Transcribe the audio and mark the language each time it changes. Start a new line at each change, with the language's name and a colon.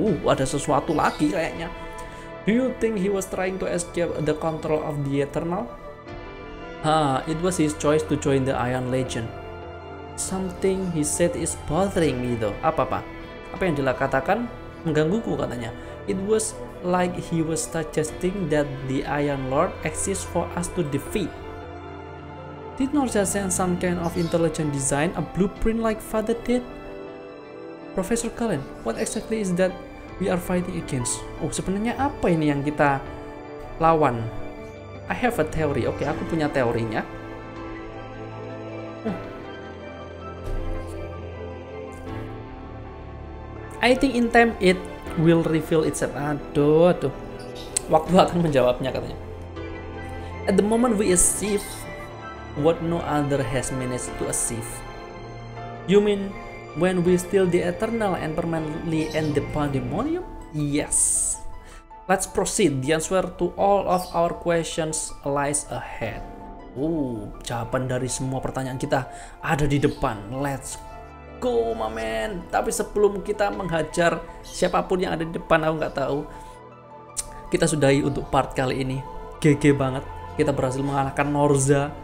Indonesian: Ada sesuatu lagi kayaknya.
English: Do you think he was trying to escape the control of the Eternal? It was his choice to join the Iron Legend. Something he said is bothering me though.
Indonesian: Apa yang dia katakan menggangguku katanya.
English: It was like he was suggesting that the Iron Lord exists for us to defeat. Did Norja send some kind of intelligent design, a blueprint like Father did? Professor Cullen, what exactly is that we are fighting against?
Indonesian: Oh, sebenarnya apa ini yang kita lawan?
English: I have a theory.
Indonesian: Oke, aku punya teorinya.
English: I think in time it will reveal itself.
Indonesian: Aduh. Waktu akan menjawabnya katanya.
English: At the moment we achieve what no other has managed to achieve. You mean when we steal the Eternal and permanently end the pandemonium? Yes. Let's proceed. The answer to all of our questions lies ahead.
Indonesian: Jawaban dari semua pertanyaan kita ada di depan.
English: Let's go, my man.
Indonesian: Tapi sebelum kita menghajar siapapun yang ada di depan, aku nggak tahu. Kita sudahi untuk part kali ini. GG banget. Kita berhasil mengalahkan Norza.